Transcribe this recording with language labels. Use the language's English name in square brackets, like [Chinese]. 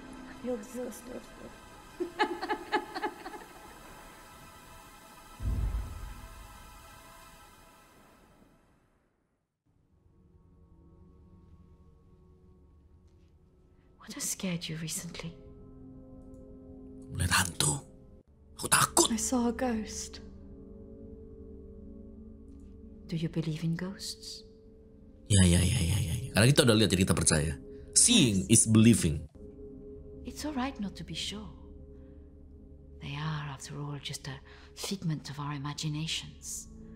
[English] I feel exhausted. What has scared you recently? [Indonesian] Melihat hantu. Aku takut. [English] I saw a ghost. Do you believe in ghosts? [Indonesian] Ya. Karena kita udah lihat, jadi kita percaya. [English] Seeing is believing. It's all right not to be sure. They are, after all, just a figment of our imaginations.